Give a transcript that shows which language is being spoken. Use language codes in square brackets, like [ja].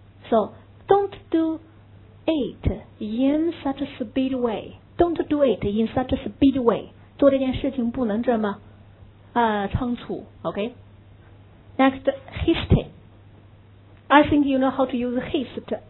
[en] So don't do it in such a speed way. Don't do it in such a speed way. [zh] 做这件事情不能这么、仓促。 [en] Okay. Next hasty. I think you know how to use haste.